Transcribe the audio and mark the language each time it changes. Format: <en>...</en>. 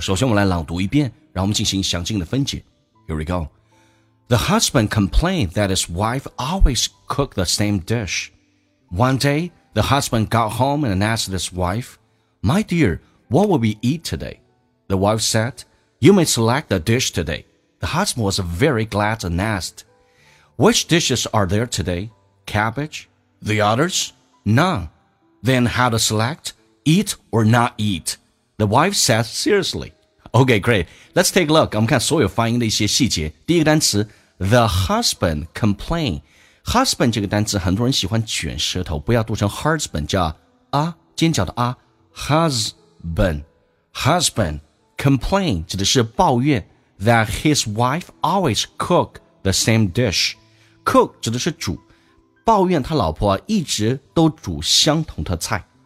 <zh>首先我们来朗读一遍，让我们进行详尽的分解。</zh> <en>Here we go. The husband complained that his wife always cooked the same dish. One day, the husband got home and asked his wife, My dear, what will we eat today? The wife said, You may select the dish today. The husband was very glad and asked, Which dishes are there today? Cabbage? The others? None. Then how to select? Eat or not eat? The wife said seriously. Okay, great. Let's take a look.</en> <zh>我们看所有发音的一些细节。第一个单词</zh> <en>The husband complained.</en> <zh>Husband 这个单词很多人喜欢卷舌头，不要读成 husband， 叫啊，尖角的啊。</zh> <en>Husband. Husband complained</en> <zh>指的是抱怨</zh> <en>that his wife always cook the same dish.</en> <zh>Cook 指的是煮，抱怨他老婆一直都煮相同的菜。</zh>